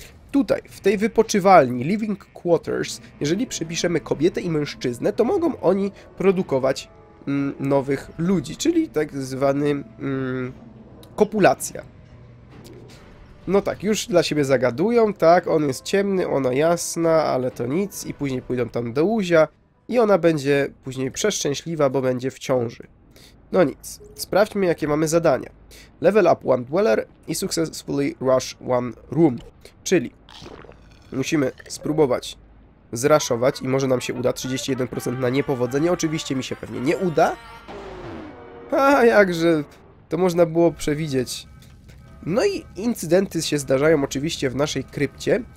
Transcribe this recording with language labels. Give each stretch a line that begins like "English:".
Polish: Tutaj, w tej wypoczywalni,
English: living quarters,
Polish: jeżeli przypiszemy kobietę i mężczyznę, to mogą oni produkować nowych ludzi, czyli tak zwany kopulacja. No tak, już dla siebie zagadują, tak, on jest ciemny, ona jasna, ale to nic i później pójdą tam do łuzia i ona będzie później przeszczęśliwa, bo będzie w ciąży. No nic, sprawdźmy jakie mamy zadania.
English: Level up one dweller i successfully rush one room.
Polish: Czyli musimy spróbować zraszować i może nam się uda. 31% na niepowodzenie, oczywiście mi się pewnie nie uda. A jakże, to można było przewidzieć. No i incydenty się zdarzają oczywiście w naszej krypcie.